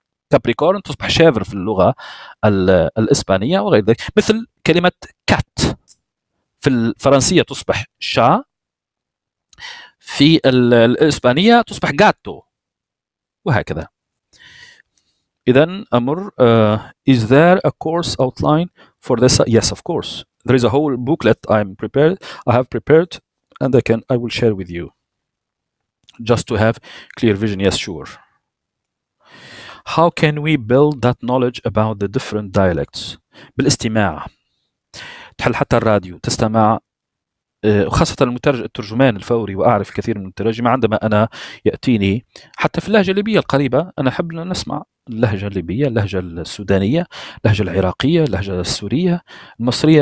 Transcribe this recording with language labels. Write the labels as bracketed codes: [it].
[ar] كابريكورن تصبح شافر في اللغة الإسبانية وغير ذلك. مثل كلمة كات في الفرنسية تصبح شا، في الإسبانية تصبح جاتو، وهكذا. إذن أمر [en] is there a course outline for this? Yes, of course. There is a whole booklet I have prepared and I will share with you just to have clear vision. Yes, sure. How can we build that knowledge about the different dialects? [ar] بالاستماع. تحل حتى الراديو تستمع، خاصة الترجمان الفوري. وأعرف كثير من الترجمة عندما أنا يأتيني حتى في اللهجة الليبية القريبة، أنا أحب أن نسمع اللهجة الليبية، اللهجة السودانية، اللهجة العراقية، اللهجة السورية، المصرية.